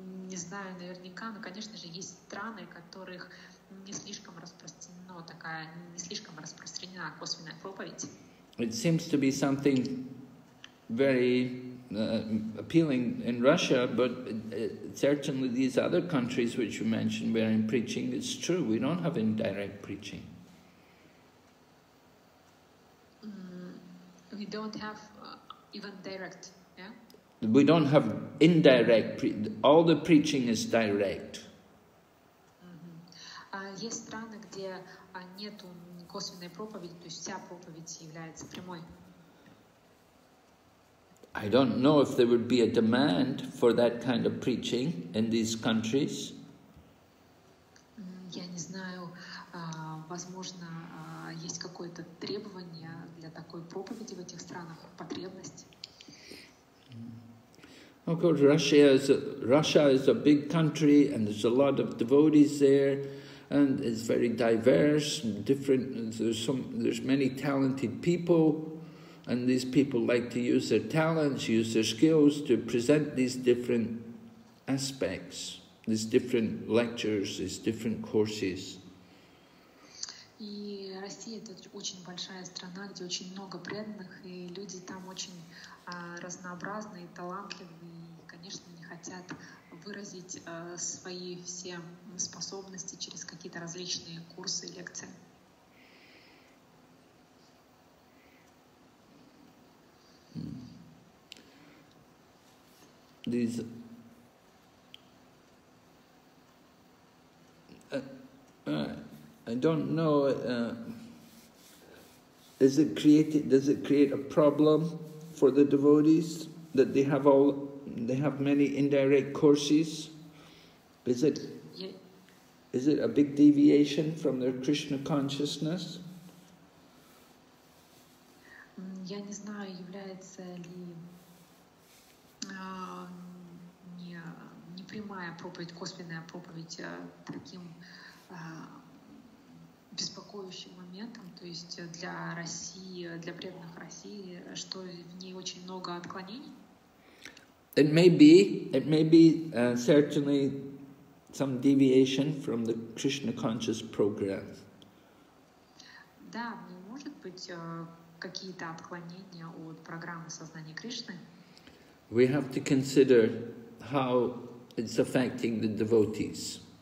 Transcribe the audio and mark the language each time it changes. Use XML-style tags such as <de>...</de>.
<ru>Не знаю, наверняка, но, конечно же, есть страны, в которых не слишком распространена такая, не слишком распространена косвенная проповедь.</ru> <en>It seems to be something very appealing in Russia, but certainly these other countries, which you mentioned, where in preaching, it's true, we don't have indirect preaching. We don't have even direct. We don't have indirect, all the preaching is direct.</en> <ru>Есть страны, где нету косвенной проповеди, то есть вся проповедь является прямой.</ru> <en>I don't know if there would be a demand for that kind of preaching in these countries.</en> <ru>Я не знаю, возможно, есть какое-то требование для такой проповеди в этих странах, потребность.</ru> <en>Of course, Russia is a big country, and there's a lot of devotees there, and it's very diverse, and different. There's many talented people, and these people like to use their talents, use their skills to present these different aspects, these different lectures, these different courses.</en> <ru>И Россия — это очень большая страна, где очень много преданных, и люди там очень разнообразные, талантливые, и, конечно, не хотят выразить свои все способности через какие-то различные курсы и лекции.</ru> <en>These, I don't know. Is it created? Does it create a problem for the devotees that they have all? They have many indirect courses. Is it? Yeah. Is it a big deviation from their Krishna consciousness?</en> <ru>Я не знаю, является ли непрямая проповедь, косвенная проповедь таким беспокоящим моментом, то есть для России, для преданных России, что в ней очень много отклонений.</ru> <en>It may be certainly some deviation from the Krishna conscious program.</en> <ru>Да, не может быть какие-то отклонения от программы сознания Кришны.</ru> <en>We have to consider how it's affecting the devotees.</en>